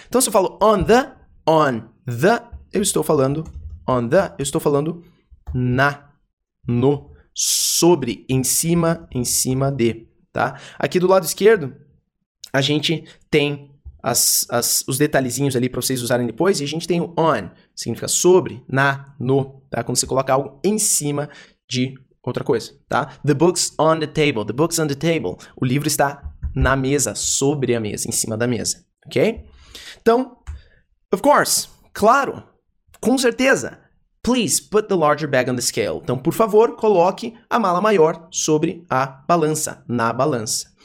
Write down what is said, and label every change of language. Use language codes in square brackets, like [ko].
[pt] Então, se eu falo on the, eu estou falando on the, eu estou falando na, no, sobre, em cima de, tá? Aqui do lado esquerdo, a gente tem os detalhezinhos ali para vocês usarem depois, e a gente tem o on, significa sobre, na, no, tá? Quando você coloca algo em cima de outra coisa, tá? [en] The book's on the table, the book's on the table. [pt] O livro está na mesa, sobre a mesa, em cima da mesa, ok? [en] Então, of course, claro, com certeza, please put the larger bag on the scale. [pt] Então, por favor, coloque a mala maior sobre a balança, na balança.